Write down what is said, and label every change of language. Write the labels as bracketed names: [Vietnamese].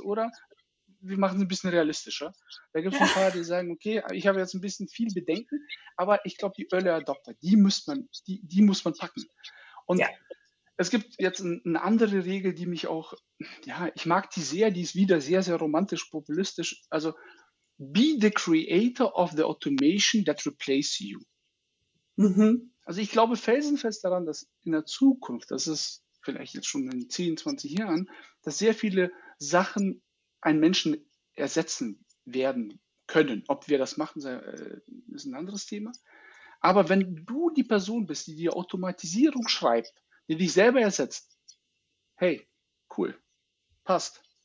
[German] Oder wir machen es ein bisschen realistischer. Da gibt es ein paar, die sagen, okay, ich habe jetzt ein bisschen viel Bedenken, aber ich glaube, die Early Adopter, die muss man packen. Und es gibt jetzt eine andere Regel, die mich auch, ja, ich mag die sehr, die ist wieder sehr, sehr romantisch, populistisch. [English] Also, be the creator of the automation that replaces you. Mhm. [German] Also, ich glaube felsenfest daran, dass in der Zukunft, das ist vielleicht jetzt schon in 10, 20 Jahren, dass sehr viele Sachen einen Menschen ersetzen werden können. Ob wir das machen, ist ein anderes Thema. Aber wenn du die Person bist, die dir Automatisierung schreibt, die dich selber ersetzt, hey, cool, passt.